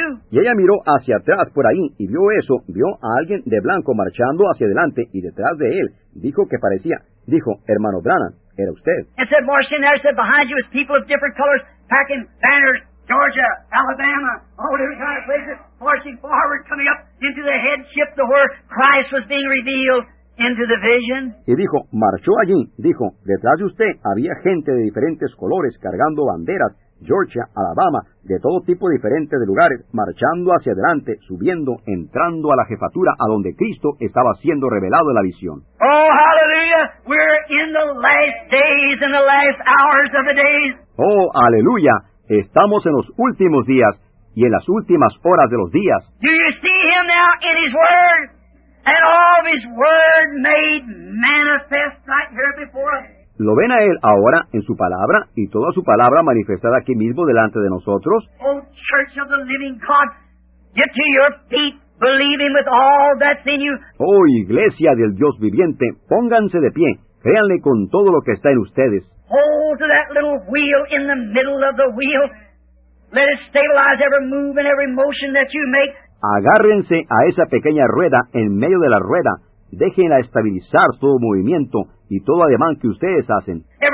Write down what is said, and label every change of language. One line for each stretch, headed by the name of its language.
Spanish: Y ella miró hacia atrás por ahí y vio eso, vio a alguien de blanco marchando hacia adelante y detrás de él, dijo que parecía... Dijo, hermano Branham, era usted.
English: And said, marching there, said, behind you is people of different colors packing banners, Georgia, Alabama, all different kind of places, marching forward, coming up into the headship to where Christ was being revealed into the vision.
Spanish: Y dijo, marchó allí, dijo, detrás de usted había gente de diferentes colores cargando banderas, Georgia, Alabama, de todo tipo diferente de lugares, marchando hacia adelante, subiendo, entrando a la jefatura a donde Cristo estaba siendo revelado en la visión.
English: Oh, aleluya, we're in the last days, in the last hours of the days.
Spanish: Oh, aleluya, estamos en los últimos días y en las últimas horas de los días.
English: Do you see him now in his word? And all of his word made manifest right here before us.
Spanish: ¿Lo ven a él ahora en su palabra y toda su palabra manifestada aquí mismo delante de nosotros?
English: Oh, Church of the Living God, get to your feet, believing with all that's in you.
Spanish: Oh, Iglesia del Dios viviente, pónganse de pie, créanle con todo lo que está en ustedes.
English: Hold to that little wheel in the middle of the wheel. Let it stabilize every move and every motion that you make.
Spanish: Agárrense a esa pequeña rueda en medio de la rueda. Déjenla estabilizar todo movimiento y todo ademán que ustedes hacen.